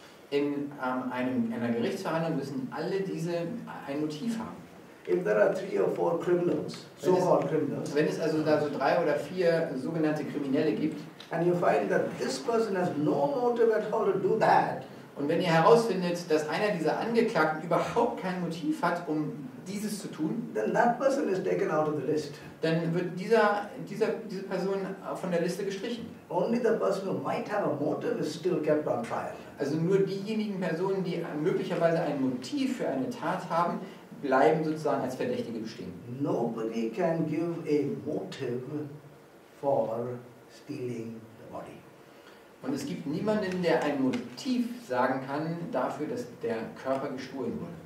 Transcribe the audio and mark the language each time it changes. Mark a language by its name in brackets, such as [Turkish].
[German] In einer Gerichtsverhandlung müssen alle diese ein Motiv haben. [English] If there are three or four criminals, so-called criminals, [German] wenn es also da so drei oder vier sogenannte Kriminelle gibt, [English] and you find that this person has no motive at all to do that, [German] und wenn ihr herausfindet, dass einer dieser Angeklagten überhaupt kein Motiv hat, um dieses zu tun, [English] then that person is taken out of the list. [German] Dann wird diese Person von der Liste gestrichen. [English] Only the person who might have a motive is still kept on trial. [German] Also nur diejenigen Personen, die möglicherweise ein Motiv für eine Tat haben, bleiben sozusagen als Verdächtige bestehen. [English] Nobody can give a motive for stealing the body. [German] Und es gibt niemanden, der ein Motiv sagen kann dafür, dass der Körper gestohlen wurde.